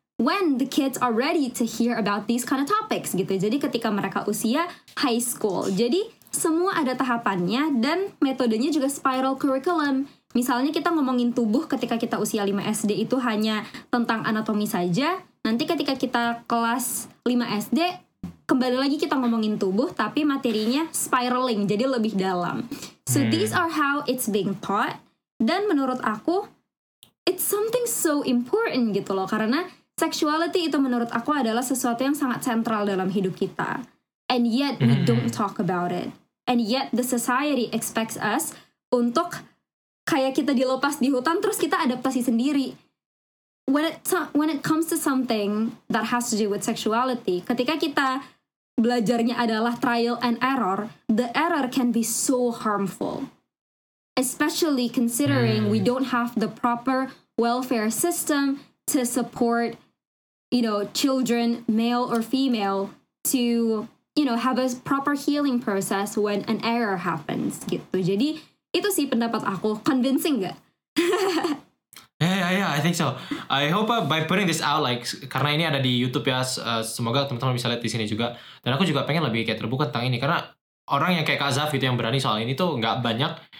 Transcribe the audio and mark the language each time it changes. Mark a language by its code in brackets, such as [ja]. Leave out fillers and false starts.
[en] When the kids are ready to hear about these kind of topics [id] gitu. Jadi ketika mereka usia high school. Jadi semua ada tahapannya, dan metodenya juga spiral curriculum. Misalnya kita ngomongin tubuh ketika kita usia 5 SD itu hanya tentang anatomi saja. Nanti ketika kita kelas 5 SD, kembali lagi kita ngomongin tubuh, tapi materinya spiraling, jadi lebih dalam. [en] So these are how it's being taught. [id] Dan menurut aku, [en] it's something so important [id] gitu loh. Karena sexuality itu menurut aku adalah sesuatu yang sangat sentral dalam hidup kita. [en] And yet we don't talk about it. And yet the society expects us [id] untuk kayak kita dilepas di hutan terus kita adaptasi sendiri. [en] When it comes to something that has to do with sexuality, [id] ketika kita belajarnya adalah [en] trial and error, the error can be so harmful. Especially considering we don't have the proper welfare system to support, you know, children, male or female, to, you know, have a proper healing process when an error happens, [id] gitu. Jadi, itu sih pendapat aku. Convincing gak? [en] Yeah, I think so. I hope by putting this out, like, [id] karena ini ada di YouTube ya, semoga teman-teman bisa lihat di sini juga. Dan aku juga pengen lebih kayak terbuka tentang ini, karena orang yang kayak Kak Zaf gitu yang berani soal ini tuh nggak banyak.